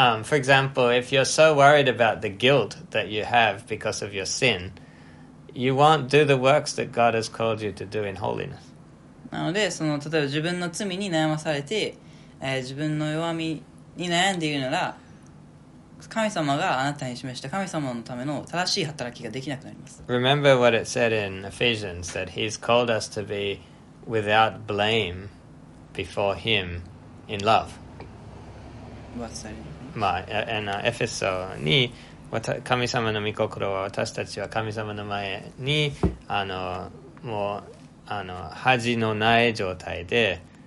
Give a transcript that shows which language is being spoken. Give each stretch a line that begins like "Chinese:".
English: For example, if you're so worried about the guilt that you have because of your sin, you won't do the works that God has called you to do in holiness.
Japanese: なのでその例えば自分の罪に悩まされて、自分の弱みに悩んでいるなら、神様があなたに示した神様のための正しい働きができなくなります。
English: Remember what it said in Ephesians, that he's called us to be without blame before him in love. What's that?
Japanese: まあ、エフェソに神様の御心は、私たちは神様の前にもう恥のない状態で、